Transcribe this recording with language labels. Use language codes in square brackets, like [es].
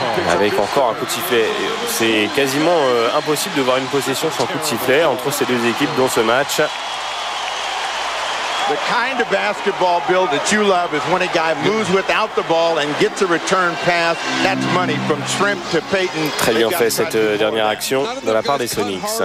[fr] Avec encore un coup de sifflet. C'est quasiment impossible de voir une possession sans coup de sifflet entre ces deux équipes dans ce match. [en] The kind of basketball, Bill, that you love is when a guy moves without the ball and gets a return pass. That's money from Shrimp to Payton. [fr] Très bien fait cette dernière action de la part des Sonics.